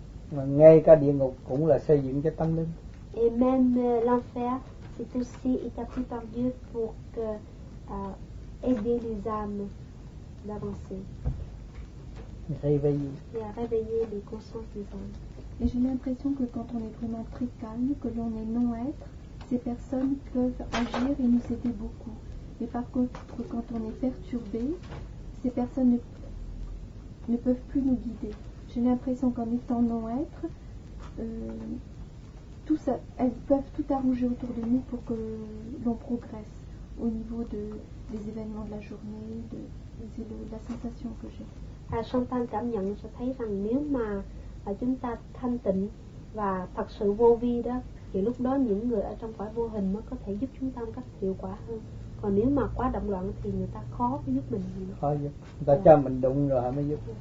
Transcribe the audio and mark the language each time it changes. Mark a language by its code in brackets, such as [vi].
[vi] Mà ngay cả địa ngục cũng là xây dựng cho tâm linh. [fr] Et même l'enfer, c'est aussi établi par Dieu pour que, aider les âmes d'avancer. Réveiller les consciences des âmes. Et j'ai l'impression que quand on est vraiment très calme, que l'on est non-être, ces personnes peuvent agir et nous aider beaucoup. Mais par contre, quand on est perturbé, ces personnes ne peuvent plus nous guider. J'ai l'impression qu'en étant non-être, tout ça, elles peuvent tout arranger autour de nous pour que l'on progresse au niveau des événements de la journée, de la sensation que j'ai. [vi] Chantal cảm nhận, je thấy rằng nếu mà chúng ta thanh tịnh và thật sự vô vi đó, thì lúc đó những người ở trong cõi vô hình mới có thể giúp chúng ta một cách hiệu quả hơn. Còn nếu mà quá động loạn thì người ta khó giúp mình. Khó giúp. Người ta cho mình đụng rồi mới giúp.